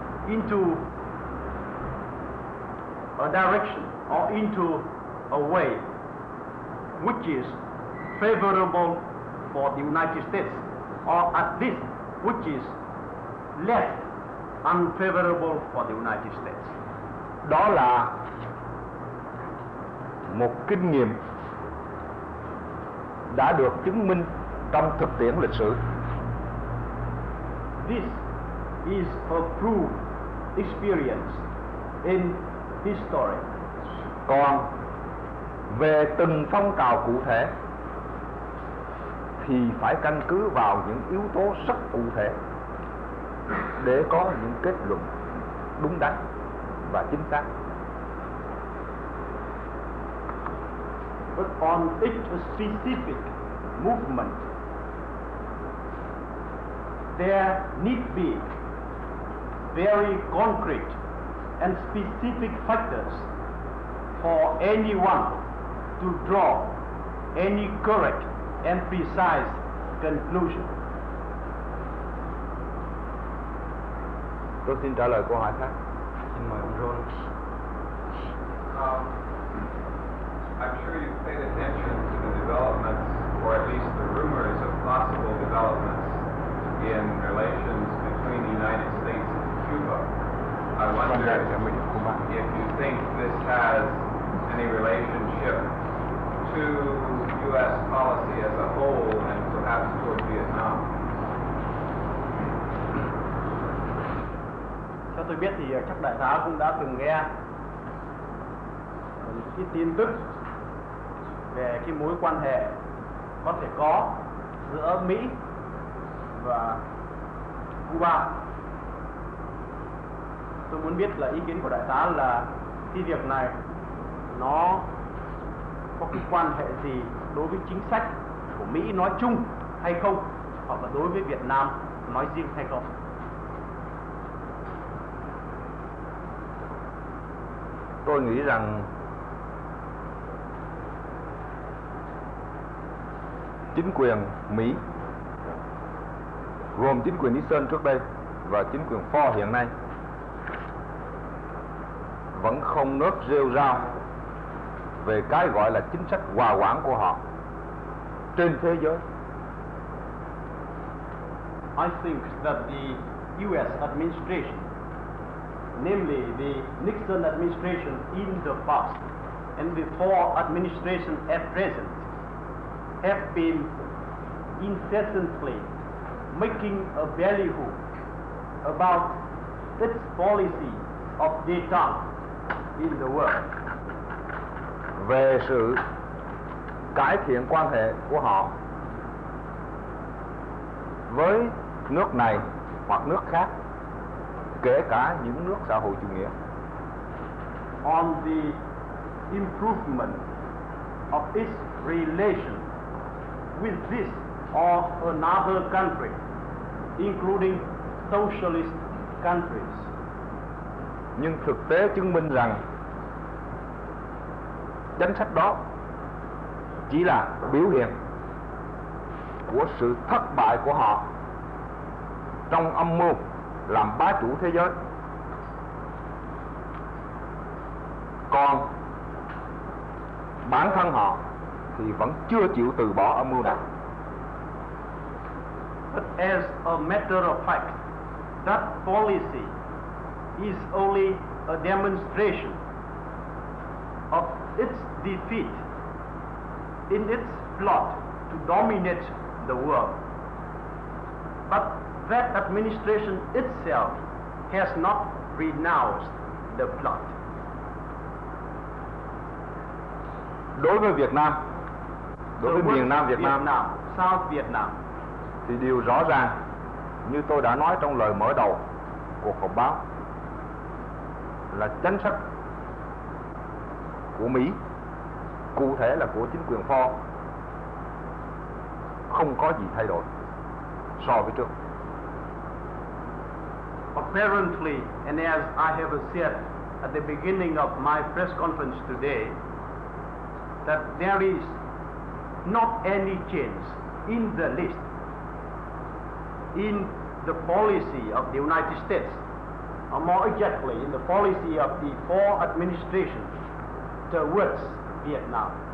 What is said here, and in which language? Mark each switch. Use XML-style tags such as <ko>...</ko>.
<en>into a direction or into a way which is favorable for the United States, or at least which is less unfavorable for the United States.</en> <vi>Đó là một kinh nghiệm đã được chứng minh trong thực tiễn lịch sử.</vi> <en>This is a proved experience in history.</en> <vi>Còn về từng phong trào cụ thể thì phải căn cứ vào những yếu tố rất cụ thể để có những kết luận đúng đắn và chính xác.</vi> <en>But on each specific movement there need be very concrete and specific factors for anyone to draw any correct and precise conclusion.</en> <vi>Tôi xin trả lời câu hỏi khác. Xin mời ông John.</vi> <en>I'm sure you've paid attention to the developments, or at least the rumors of possible developments in relations between the United States and Cuba. I wonder if you think this has any relationship to U.S. policy as a whole and perhaps toward Vietnam.</en> <vi>Theo tôi biết thì chắc đại tá cũng đã từng nghe những cái tin tức về cái mối quan hệ có thể có giữa Mỹ và Cuba. Tôi muốn biết là ý kiến của đại tá là cái việc này nó có cái quan hệ gì đối với chính sách của Mỹ nói chung hay không, hoặc là đối với Việt Nam nói riêng hay không? Tôi nghĩ rằng chính quyền Mỹ, gồm chính quyền Nixon trước đây và chính quyền Ford hiện nay, vẫn không nớt rêu rao về cái gọi là chính sách hòa quản của họ trên thế giới.</vi> <en>I think that the U.S. administration, namely the Nixon administration in the past and the Ford administration at present, have been incessantly making a ballyhoo about its policy of détente in the world.</en> <vi>Về sự cải thiện quan hệ của họ với nước này hoặc nước khác, kể cả những nước xã hội chủ nghĩa.</vi> <en>On the improvement of its relation with this or another country, including socialist countries.</en> <vi>Nhưng thực tế chứng minh rằng chính sách đó chỉ là biểu hiện của sự thất bại của họ trong âm mưu làm bá chủ thế giới. Còn bản thân họ thì vẫn chưa chịu từ bỏ âm mưu này.</vi> <en>But as a matter of fact, that policy is only a demonstration of its defeat in its plot to dominate the world. But that administration itself has not renounced the plot.</en> <vi>Đối với Việt Nam, đối với miền Nam Việt Nam,</vi> <en>South Vietnam,</en> <vi>thì điều rõ ràng như tôi đã nói trong lời mở đầu cuộc họp báo là chính sách của Mỹ, cụ thể là của chính quyền Ford, không có gì thay đổi so với trước.</vi> <en>Apparently, and as I have said at the beginning of my press conference today, that there is not any change in the least in the policy of the United States, or more exactly, in the policy of the four administrations towards Vietnam.</en>